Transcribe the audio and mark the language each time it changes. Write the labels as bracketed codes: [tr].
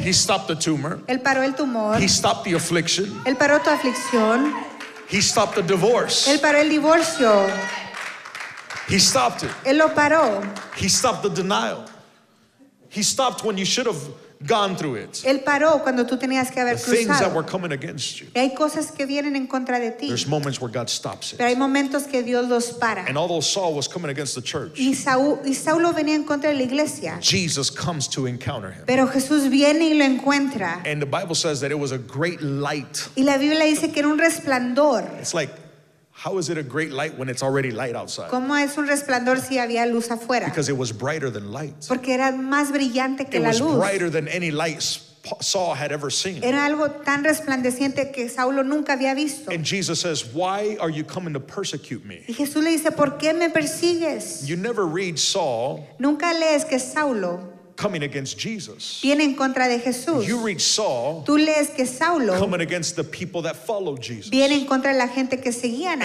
[en] He stopped the tumor. [es] Él paró el tumor. [en] He stopped the affliction. [es] Él paró tu aflicción. [en] He stopped the divorce. [es] Él paró el divorcio. [en] He stopped it. [es] Él lo paró. [en] He stopped the denial. He stopped when you should have gone through it. [es] Él paró cuando tú tenías que haber cruzado. [en] The things that were coming against you. [es] Y hay cosas que vienen en contra de ti. [en] There's moments where God stops it. [es] Pero hay momentos que Dios los para. [en] And although Saul was coming against the church, [es] y Saulo venía en contra de la iglesia, [en] Jesus comes to encounter him. [es] Pero Jesús viene y lo encuentra. [en] And the Bible says that it was a great light. [es] Y la Biblia dice que era un resplandor. [en] It's like, how is it a great light when it's already light outside? [es] ¿Cómo es un resplandor si había luz afuera? [en] Because it was brighter than light. [es] Porque era más brillante que la luz. [en] It was brighter than any light Saul had ever seen. [es] Era algo tan resplandeciente que Saulo nunca había visto. [en] And Jesus says, why are you coming to persecute me? [es] Y Jesús le dice, ¿por qué me persigues? [en] You never read Saul. [es] Nunca lees que Saulo [en] coming against Jesus. [es] Viene en contra de Jesús. [en] You read Saul. [es] Tú lees que Saulo [en] coming against the people that followed Jesus. [es] Viene en contra de la gente que seguían a Jesús.